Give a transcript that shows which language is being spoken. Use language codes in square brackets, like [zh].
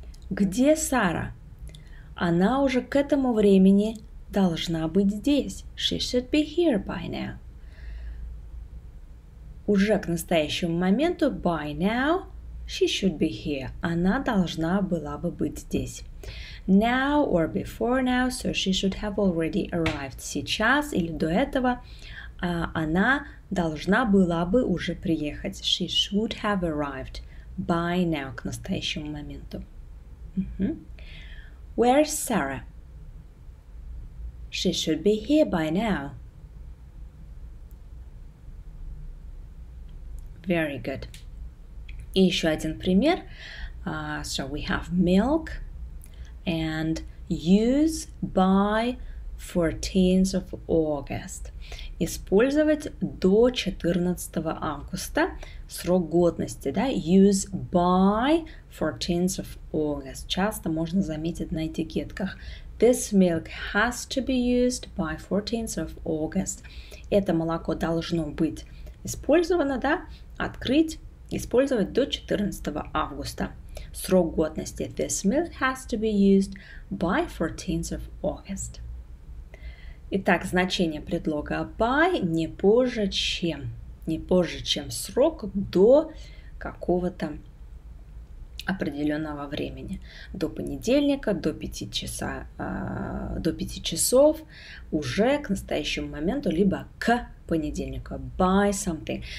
[ru] Где Сара? Она уже к этому времени должна быть здесь. [en] She should be here by now. [ru] Уже к настоящему моменту [en] by now. She should be here. [ru] Она должна была бы быть здесь. [en] Now or before now, so she should have already arrived. [ru] Сейчас или до этого она должна была бы уже приехать. [en] She should have arrived by now, [ru] к настоящему моменту. [en] Uh-huh. Where's Sarah? She should be here by now. Very good. [ru] И еще один пример. [en] So we have milk and use by 14th of August. [ru] Использовать до 14 августа срок годности, да? [en] Use by 14th of August. [ru] Часто можно заметить на этикетках. [en] This milk has to be used by 14th of August. [ru] Это молоко должно быть использовано, да? Открыть, использовать до 14 августа. Срок годности. [en] This milk has to be used by 14th of August. [ru] Итак, значение предлога by не позже чем. Не позже чем срок до какого-то определенного времени. До понедельника, до 5 часа, до 5 часов, уже к настоящему моменту, либо к понедельника, [en] by something.